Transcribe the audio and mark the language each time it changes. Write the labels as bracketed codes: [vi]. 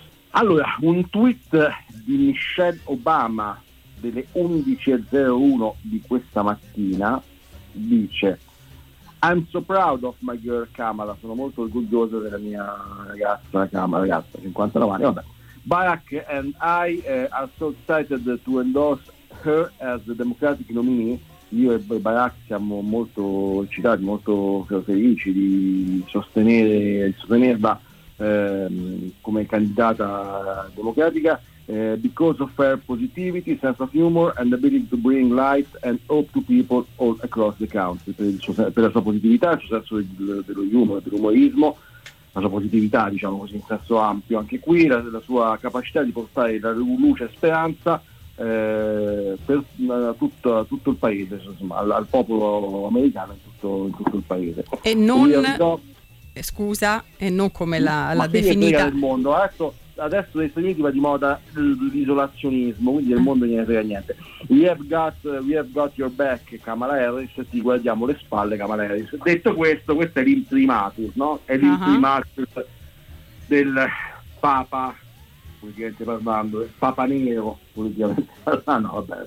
[it] Allora, un tweet di Michelle Obama delle 11:01 di questa mattina dice: [en] I'm so proud of my girl Kamala, [it] sono molto orgoglioso della mia ragazza Kamala, ragazza 59 anni, vabbè. [en] Barack and I are so excited to endorse her as the Democratic nominee. [it] Io e Barack siamo molto eccitati, molto felici di sostenerla come candidata democratica, [en] because of her positivity, sense of humor and ability to bring light and hope to people all across the country, [it] per la sua positività, il suo senso dello humor, dell'umorismo, la sua positività diciamo così in senso ampio anche qui, la sua capacità di portare la luce e speranza per tutto il paese, insomma, al popolo americano in tutto il paese. E non... Scusa, e non come la definita del mondo. Adesso negli Stati Uniti va di moda l'isolazionismo, quindi del mondo non ne frega niente. [en] We have got your back, Kamala Harris. [it] Ti guardiamo le spalle, Kamala Harris. Detto questo è l'imprimatur, no? È l'imprimatur del Papa, politicamente parlando, il Papa Nero, politicamente parlando.